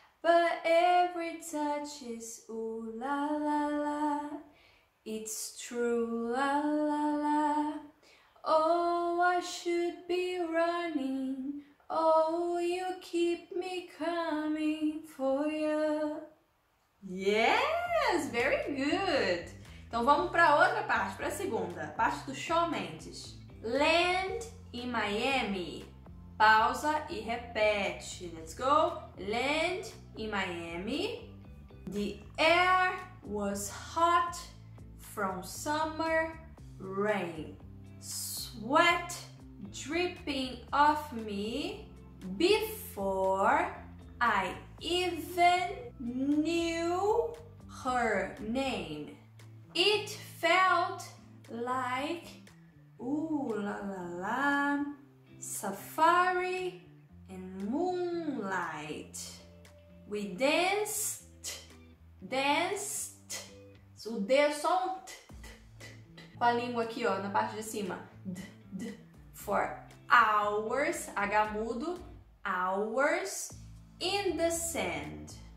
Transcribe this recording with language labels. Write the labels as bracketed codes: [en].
[en] But every touch is ooh la la la. It's true la la la. Oh, I should be running. Oh, you keep me coming for you. Yes, very good. [pt] Então vamos para outra parte, para a segunda, parte do Shawn Mendes. [en] Land in Miami. [pt] Pausa e repete. [en] Let's go. Land in Miami. The air was hot from summer rain. Sweat dripping off me before I even knew her name. It felt like ooh la la la, safari and moonlight. We danced, danced. [pt] O D é só um t, t, t, t, com a língua aqui, ó, na parte de cima. D, d, [en] for hours, [pt] H mudo, [en] hours in the sand.